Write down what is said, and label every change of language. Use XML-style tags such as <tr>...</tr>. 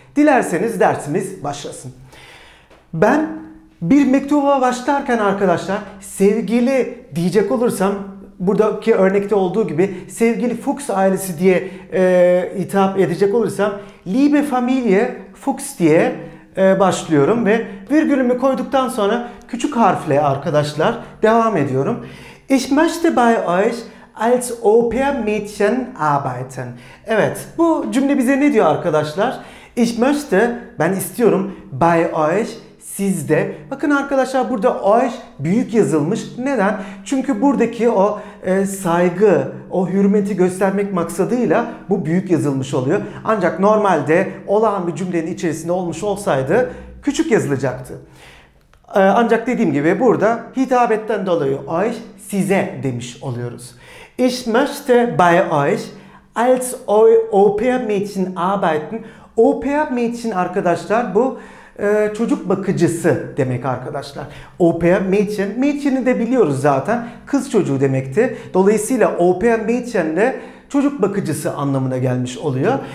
<tr>Dilerseniz dersimiz başlasın. Ben bir mektuba başlarken arkadaşlar sevgili diyecek olursam, buradaki örnekte olduğu gibi sevgili Fuchs ailesi diye hitap edecek olursam</tr> <de>Liebe Familie Fuchs</de> <tr>diye başlıyorum ve virgülümü koyduktan sonra küçük harfle arkadaşlar devam ediyorum.</tr> <de>Ich möchte bei euch als Au-pair-Mädchen arbeiten.</de> <tr>Evet, bu cümle bize ne diyor arkadaşlar?</tr> <de>Ich möchte,</de> <tr>ben istiyorum,</tr> <de>bei euch,</de> <tr>sizde. Bakın arkadaşlar, burada euch büyük yazılmış. Neden? Çünkü buradaki o saygı, o hürmeti göstermek maksadıyla bu büyük yazılmış oluyor. Ancak normalde olağan bir cümlenin içerisinde olmuş olsaydı küçük yazılacaktı. Ancak dediğim gibi burada hitabetten dolayı euch, size demiş oluyoruz.</tr> <de>Ich möchte bei euch als Au-pair-Mädchen arbeiten.</de> <tr>Au-pair-Mädchen arkadaşlar bu çocuk bakıcısı demek arkadaşlar. Au-pair-Mädchen, Mädchen'i de biliyoruz zaten, kız çocuğu demekti. Dolayısıyla Au-pair-Mädchen de çocuk bakıcısı anlamına gelmiş oluyor.</tr>